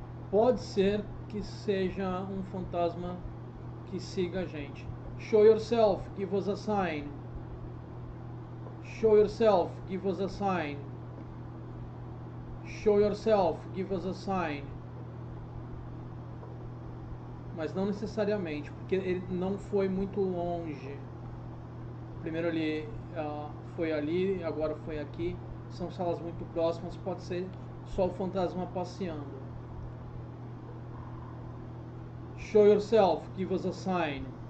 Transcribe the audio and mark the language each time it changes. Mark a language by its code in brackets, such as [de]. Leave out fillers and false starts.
[pt] Pode ser que seja um fantasma que siga a gente. [en] Show yourself, give us a sign. Show yourself, give us a sign. Show yourself, give us a sign. [pt] Mas não necessariamente, porque ele não foi muito longe. Primeiro ele foi ali, agora foi aqui. São salas muito próximas, pode ser só o fantasma passeando. [en] Show yourself, give us a sign.